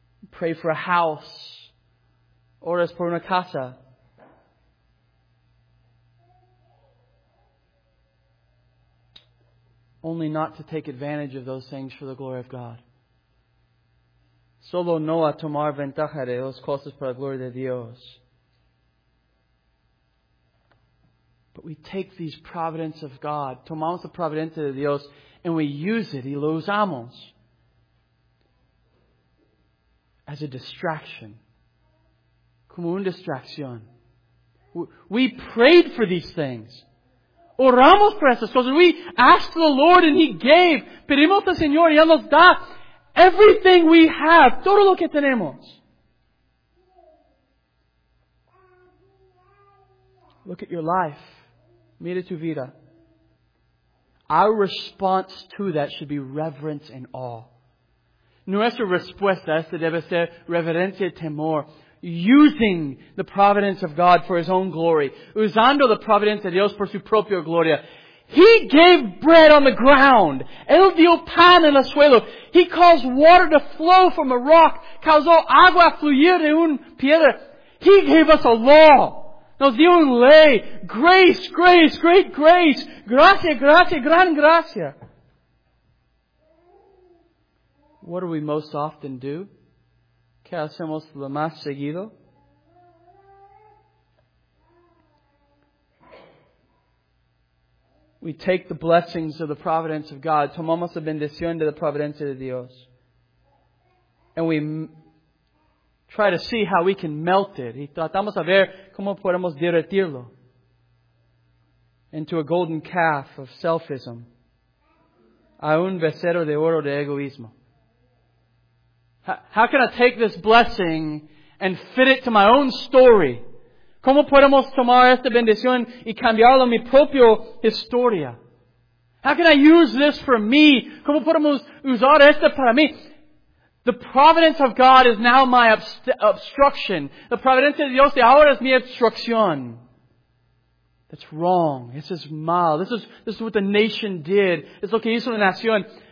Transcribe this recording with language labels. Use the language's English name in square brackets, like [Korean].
[English] Pray for a house. [Spanish] Oras por una casa. [English] Only not to take advantage of those things for the glory of God. [Spanish] Solo no a tomar ventaja de las cosas para la gloria de Dios. [English] But we take these providence of God, [Spanish] tomamos la providencia de Dios, [English] and we use it, [Spanish] y lo usamos, [English] as a distraction. [Spanish] Como una distracción. [English] We prayed for these things. [Spanish] Oramos por esas cosas. [English] We asked the Lord and He gave. [Spanish] Pedimos al Señor y Él nos da [English] everything we have, [Spanish] todo lo que tenemos. [English] Look at your life. [Spanish] Mira tu vida. [English] Our response to that should be reverence and awe. [Spanish] Nuestra respuesta esta debe ser reverencia y temor. [English] Using the providence of God for His own glory. [Spanish] Usando la providencia de Dios por su propia gloria. [English] He gave bread on the ground. [Spanish] Él dio pan en el suelo. [English] He caused water to flow from a rock. [Spanish] Causó agua fluir de una piedra. [English] He gave us a law. [Spanish] Nos dio un ley. [English] Grace, grace, great grace. [Spanish] Gracia, gracia, gran gracia. [English] What do we most often do? [Spanish] ¿Qué hacemos lo más seguido? [English] We take the blessings of the providence of God. [Spanish] Tomamos la bendición de la providencia de Dios. [English] And we try to see how we can melt it. [Spanish] Y tratamos a ver cómo podemos derretirlo. [English] into a golden calf of selfism, [Spanish] a un becerro de oro de egoísmo. [English] How can I take this blessing and fit it to my own story? [Spanish] ¿Cómo podemos tomar esta bendición y cambiarlo a mi propia historia? [English] How can I use this for me? [Spanish] ¿Cómo podemos usar esto para mí? [English] The providence of God is now my obstruction. [Spanish] The providencia de Dios de ahora es mi obstrucción. [English] That's wrong. This is [Spanish] mal. [English] This is what the nation did. It's [Spanish] lo que hizo la nación.